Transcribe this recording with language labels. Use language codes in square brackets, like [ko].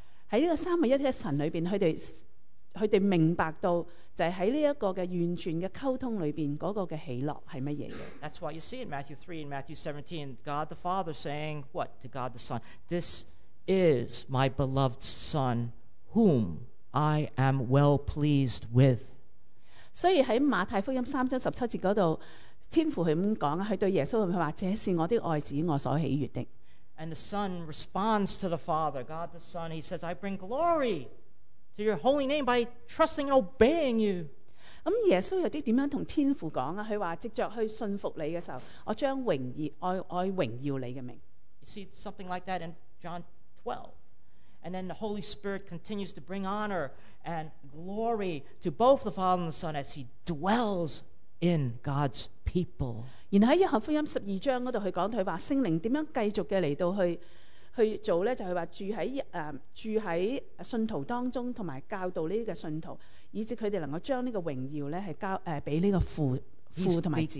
[yue] 喺呢个三位一体嘅神里边，佢哋明白到就系喺呢一个嘅完全嘅沟通里边，嗰个嘅喜乐系乜嘢嘅 [en] ？That's why you see in Matthew 3 and Matthew 17, God the Father saying what to God the Son? This is my beloved Son, whom I am well pleased with. [yue] 所以喺马太福音三章十七节嗰度。天父佢咁讲啊，佢对耶稣佢话：，这是我的爱子，我所喜悦的。 [en] And the Son responds to the Father, God the Son. He says, "I bring glory to your holy name by trusting and obeying you." [yue] 咁耶稣又点样同天父讲啊？佢话藉着去信服你嘅时候，我将荣耀爱荣耀你嘅名。 [en] You see something like that in John 12, and then the Holy Spirit continues to bring honor and glory to both the Father and the Son as He dwells. In God's people. [yue] 然后喺约翰福音十二章嗰度，佢讲佢话圣灵点样继续嘅嚟到去做咧，就系话住喺信徒当中，同埋教导呢个信徒，以致佢哋能够将呢个荣耀咧系交俾呢个父同埋子。